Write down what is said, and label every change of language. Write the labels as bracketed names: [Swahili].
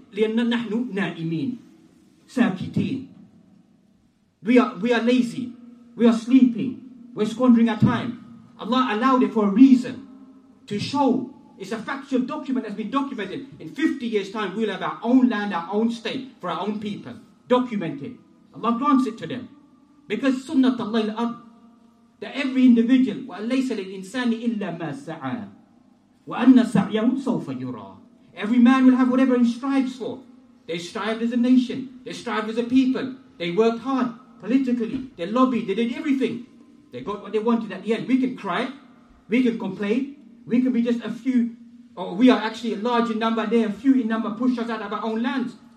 [Arabic] لِأَنَّ نَحْنُ نَائِمِينَ سَاكِتِينَ. [English] We are lazy. We are sleeping. We're squandering our time. Allah allowed it for a reason. To show. It's a factual document that's been documented. In 50 years' time, we'll have our own land, our own state, for our own people. Documented. Allah grants it to them. [Arabic] Because sunnat Allah al-ard, [English] that every individual, [Arabic] وَلَيْسَ لِلْإِنسَانِ إِلَّا مَا سَعَى وَأَنَّ سَعْيَهُ سَوْفَ يُرَى. [English] Every man will have whatever he strives for. They strived as a nation. They strived as a people. They worked hard, politically. They lobbied. They did everything. They got what they wanted at the end. We can cry. We can complain. We can be just a few, or we are actually a large in number, they are few in number, push us out of our own lands.